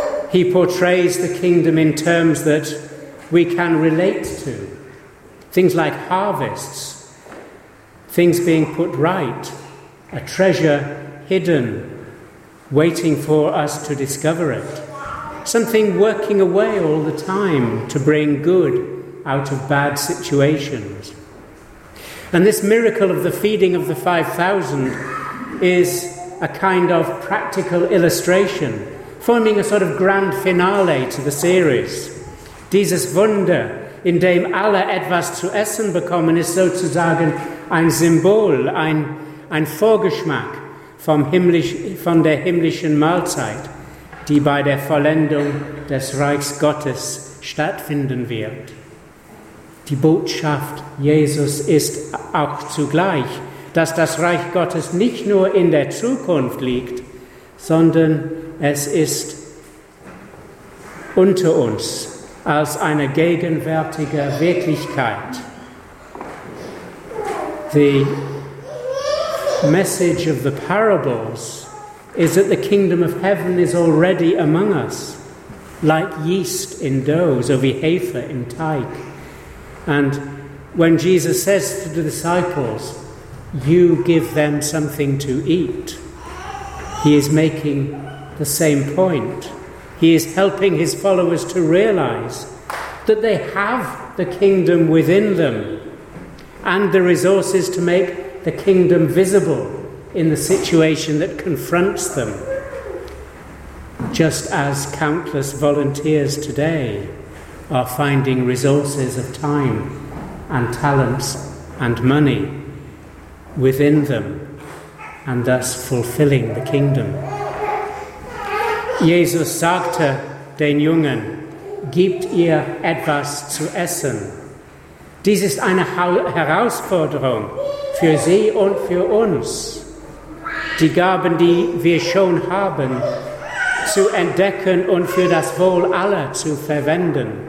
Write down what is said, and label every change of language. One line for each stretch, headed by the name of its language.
English: He portrays the kingdom in terms that we can relate to, things like harvests, things being put right, a treasure hidden, waiting for us to discover it, something working away all the time to bring good out of bad situations. And this miracle of the feeding of the 5,000 is a kind of practical illustration, forming a sort of grand finale to the series.
German: Dieses Wunder, in dem alle etwas zu essen bekommen, ist sozusagen ein Symbol, ein Vorgeschmack von der himmlischen Mahlzeit, die bei der Vollendung des Reichs Gottes stattfinden wird. Die Botschaft Jesus ist auch zugleich, dass das Reich Gottes nicht nur in der Zukunft liegt, sondern es ist unter uns als eine gegenwärtige Wirklichkeit.
English: The message of the parables is that the kingdom of heaven is already among us, like yeast in dough,
German: so wie Hefe in Teig.
English: And when Jesus says to the disciples, you give them something to eat, he is making the same point. He is helping his followers to realize that they have the kingdom within them and the resources to make the kingdom visible in the situation that confronts them, just as countless volunteers today are finding resources of time and talents and money within them and thus fulfilling the kingdom.
German: Jesus sagte den Jungen, gebt ihr etwas zu essen. Dies ist eine Herausforderung für sie und für uns, die Gaben, die wir schon haben, zu entdecken und für das Wohl aller zu verwenden.